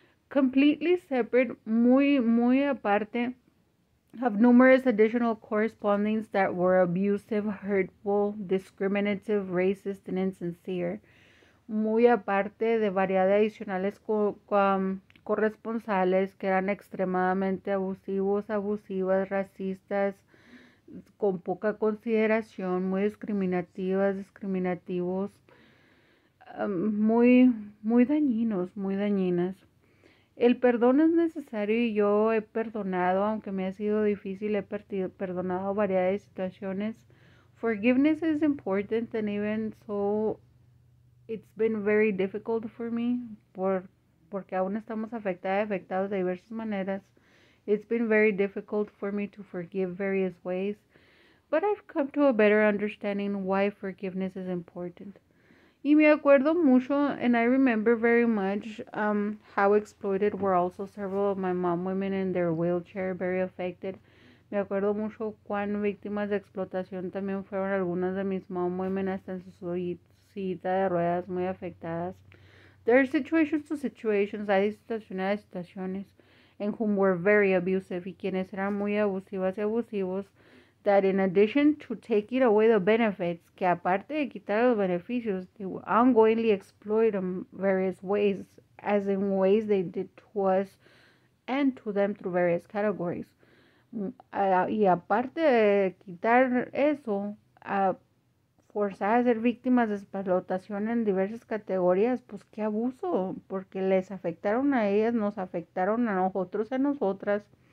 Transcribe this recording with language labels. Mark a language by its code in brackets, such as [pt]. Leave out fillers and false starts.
[en] Completely separate, [es] muy, muy aparte, [en] of numerous additional correspondings that were abusive, hurtful, discriminative, racist, and insincere. [es] Muy aparte de variedad de adicionales corresponsales que eran extremadamente abusivos, abusivas, racistas, con poca consideración, muy discriminativas, discriminativos, muy, muy dañinos, muy dañinas. El perdón es necesario y yo he perdonado, aunque me ha sido difícil, he perdonado variedad de situaciones. [en] Forgiveness is important and even so, it's been very difficult for me, [es] porque aún estamos afectados de diversas maneras. [en] It's been very difficult for me to forgive various ways, but I've come to a better understanding why forgiveness is important. [es] Y me acuerdo mucho, [en] and I remember very much how exploited were also several of my mom women in their wheelchair, very affected. [es] Me acuerdo mucho cuán víctimas de explotación también fueron algunas de mis mom women hasta en su silla de ruedas muy afectadas. [en] There are situations to situations, [es] hay situaciones a situaciones, [en] and whom were very abusive, [es] y quienes eran muy abusivas y abusivos, [en] that in addition to taking away the benefits, [es] que aparte de quitar los beneficios, [en] they would ongoingly exploit them various ways, as in ways they did to us and to them through various categories. [es] Y aparte de quitar eso, forzar a ser víctimas de explotación en diversas categorías, pues qué abuso, porque les afectaron a ellas, nos afectaron a nosotros, a nosotras.